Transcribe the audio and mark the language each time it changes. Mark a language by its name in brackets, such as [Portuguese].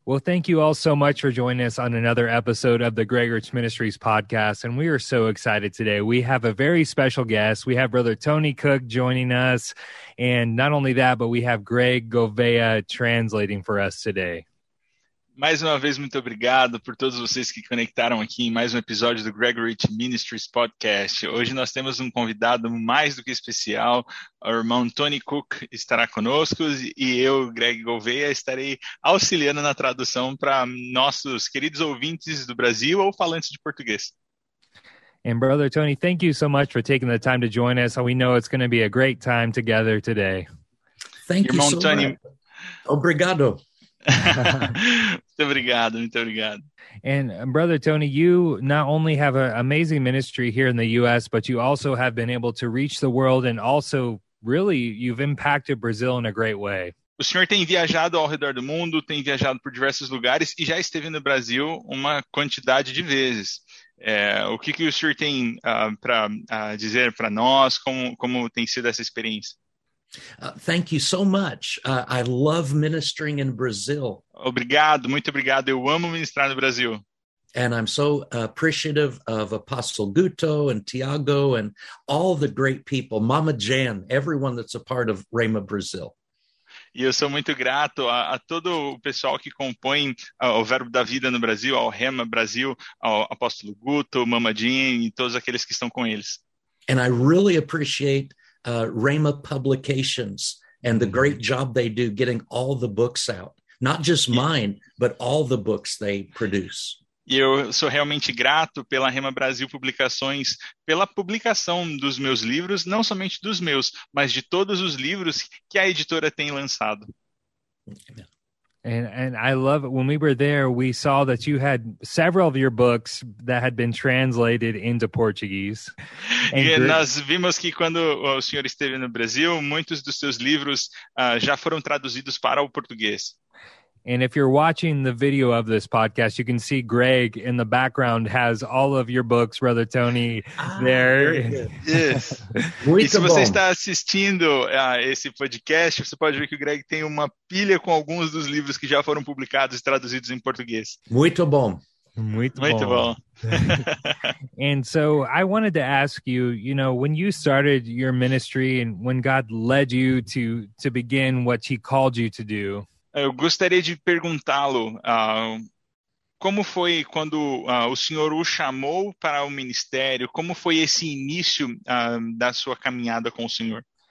[English] Well, thank you all so much for joining us on another episode of the Greg Rich Ministries podcast. And we are so excited today. We have a very special guest. We have Brother Tony Cook joining us. And not only that, but we have Greg Gouveia translating for us today. [Portuguese] Mais uma vez, muito obrigado por todos vocês que conectaram aqui em mais um episódio do Greg Rich Ministries Podcast. Hoje nós temos convidado mais do que especial. O irmão Tony Cook estará conosco e eu, Greg Gouveia, estarei auxiliando na tradução para nossos queridos ouvintes do Brasil ou falantes de português. [English] And Brother Tony, thank you so much for taking the time to join us. We know it's going to be a great time together today. Thank [Portuguese] irmão [English] you so Tony. Much. [Portuguese] Obrigado. Muito obrigado, muito obrigado. [English] And Brother Tony, you not only have an amazing ministry here in the U.S., but you also have been able to reach the world and also really you've impacted Brazil in a great way. [Portuguese] O senhor tem viajado ao redor do mundo, tem viajado por diversos lugares e já esteve no Brasil uma quantidade de vezes. O que o senhor tem para dizer para nós, como tem sido essa experiência? [English] Thank you so much. I love ministering in Brazil. [Portuguese] Obrigado, muito obrigado. Eu amo ministrar no Brasil. [English] And I'm so appreciative of Apostle Guto and Tiago and all the great people, Mama Jan, everyone that's a part of Rhema Brazil. [Portuguese] E eu sou muito grato a todo o pessoal que compõe o Verbo da Vida no Brasil, ao Rhema Brasil, ao Apóstolo Guto, Mama Jan e todos aqueles que estão com eles. [English] And I really appreciate Rhema Publications and the great job they do getting all the books out, not just mine, but all the books they produce. [Portuguese] E eu sou realmente grato pela Rhema Brasil Publicações, pela publicação dos meus livros, não somente dos meus, mas de todos os livros que a editora tem lançado. [English] And I love it. When we were there, we saw that you had several of your books that had been translated into Portuguese. [Portuguese] E nós vimos que quando o senhor esteve no Brasil, muitos dos seus livros já foram traduzidos para o português. [English] And if you're watching the video of this podcast, you can see Greg in the background has all of your books, Brother Tony, there. Yes. [Portuguese] E se você está assistindo a esse podcast, você pode ver que o Greg tem uma pilha com alguns dos livros que já foram publicados e traduzidos em português. Muito bom. Muito bom. [English] And so I wanted to ask you, you know, when you started your ministry and when God led you to begin what he called you to do, [Portuguese] eu gostaria de perguntá-lo, como foi quando o senhor o chamou para o ministério? Como foi esse início da sua caminhada com o senhor?